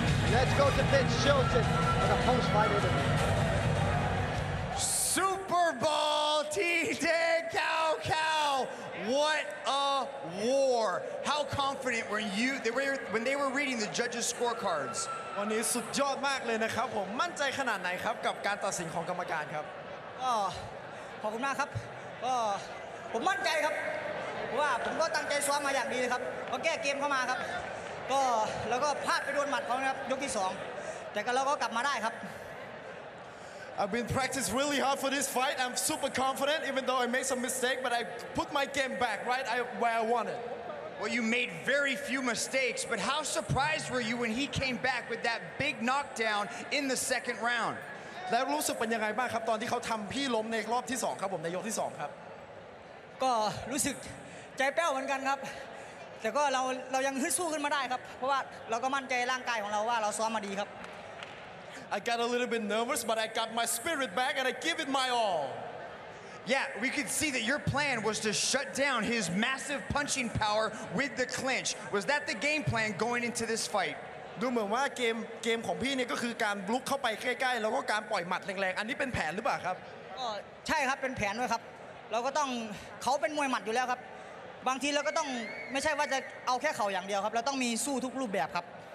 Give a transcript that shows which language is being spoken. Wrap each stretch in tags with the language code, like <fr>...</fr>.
<en>Let's go to Vince Shilton for the post-fight interview. Superball Tded99, what a war. How confident were you when they were reading the judges' scorecards?</en> <th>วันนี้สุดยอดมากเลยนะครับผมมั่นใจขนาดไหนครับกับการตัดสินของกรรมการครับ ก็ขอบคุณมากครับก็ผมมั่นใจครับว่าผมก็ตั้งใจซ้อมมาอย่างดีนะครับก็แก้เกมเข้ามาครับก็แล้วก็พลาดไปโดนหมัดเขานะครับยกที่2แต่ก็เราก็กลับมาได้ครับ</th> <en>I've been practicing really hard for this fight. I'm super confident, even though I made some mistakes, but I put my game back right where I want it. Well, you made very few mistakes, but how surprised were you when he came back with that big knockdown in the second round?</en> <th>แล้วรู้สึกเป็นยังไงบ้างครับตอนที่เขาทำพี่ล้มในรอบที่สองครับผมในยกที่สองครับ ก็รู้สึกใจแป้วเหมือนกันครับแต่ก็เรายังฮึดสู้ขึ้นมาได้ครับเพราะว่าเราก็มั่นใจร่างกายของเราว่าเราซ้อมมาดีครับ</th> <en>I got a little bit nervous, but I got my spirit back and I give it my all. Yeah, we could see that your plan was to shut down his massive punching power with the clinch. Was that the game plan going into this fight?</en> <th>ดูเหมือนว่าเกมของพี่เนี่ยก็คือการบลุกเข้าไปใกล้ๆแล้วก็การปล่อยหมัดแรงๆอันนี้เป็นแผนหรือเปล่าครับ ก็ใช่ครับเป็นแผนด้วยครับเราก็ต้องเขาเป็นมวยหมัดอยู่แล้วครับบางทีเราก็ต้องไม่ใช่ว่าจะเอาแค่เข่าอย่างเดียวครับเราต้องมีสู้ทุกรูปแบบครับ</th>